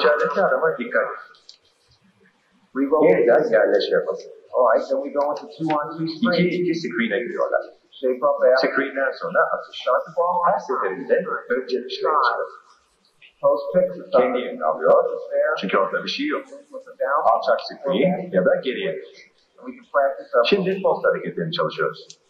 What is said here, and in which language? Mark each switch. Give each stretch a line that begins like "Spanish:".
Turkish: İçerideki adama dikkat.
English: Reroll.
Turkish: Yeniden yerleşiyor posta.
English: All right, then we go into 2-on-2 screen.
Turkish: İki screen'e giriyorlar.
English: Shape up after.
Turkish: Screen'den sonra atış.
English: Start the ball. Pass it in there.
Turkish: Önce bir şey açıyor.
English: Post picks it.
Turkish: Kendi yerini alıyor. Çünkü orada bir şey yok. Alçak screen ya da geriye.
English: We can practice our
Turkish: şimdi post hareketlerini çalışıyoruz.